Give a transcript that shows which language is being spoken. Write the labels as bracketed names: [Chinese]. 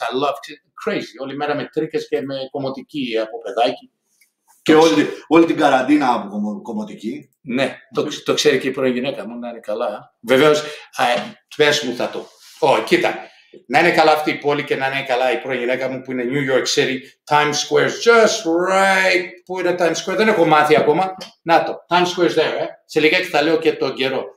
[English] I love crazy. [Greek] Όλη μέρα με τρίκες και με κομμωτική από παιδάκι. Και όλη την καραντίνα από κομμωτική. Ναι, το ξέρει και η πρώην γυναίκα μου, να είναι καλά. Βεβαίως, πες μου θα το. Ω, κοίτα. Να είναι καλά αυτή η πόλη και να είναι καλά η πρώην γυναίκα μου που είναι New York City. [English] Times Square's just right. [Greek] Πού είναι Times Square? Δεν έχω μάθει ακόμα. Να το. [English] Times Square's there. [Greek] Σε λιγάκι θα λέω και τον καιρό.